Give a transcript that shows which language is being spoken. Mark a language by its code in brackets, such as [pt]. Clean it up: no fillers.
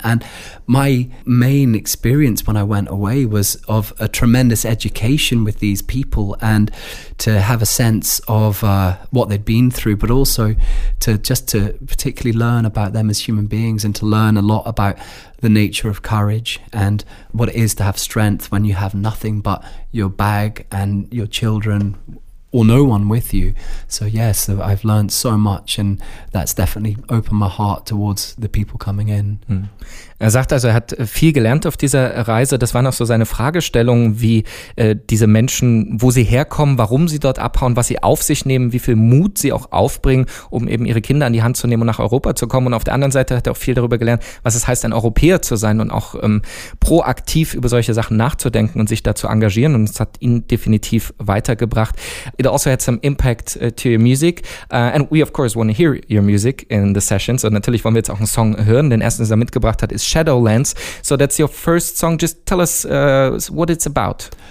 [en] And my main experience when I went away was of a tremendous education with these people, and to have a sense of what they'd been through, but also to particularly learn about them as human beings, and to learn a lot about the nature of courage and what it is to have strength when you have nothing but your bag and your children or no one with you. So yes, I've learned so much, and that's definitely opened my heart towards the people coming in. [de] Er sagt also, er hat viel gelernt auf dieser Reise. Das waren auch so seine Fragestellungen, wie diese Menschen, wo sie herkommen, warum sie dort abhauen, was sie auf sich nehmen, wie viel Mut sie auch aufbringen, um eben ihre Kinder an die Hand zu nehmen und nach Europa zu kommen. Und auf der anderen Seite hat er auch viel darüber gelernt, was es heißt, ein Europäer zu sein und auch proaktiv über solche Sachen nachzudenken und sich da zu engagieren. Und es hat ihn definitiv weitergebracht. [en] It also had some impact to your music. And we of course want to hear your music in the sessions. [de] Und natürlich wollen wir jetzt auch einen Song hören. Den ersten, den er mitgebracht hat, ist Shadowlands. [en] So that's your first song. Just tell us what it's about.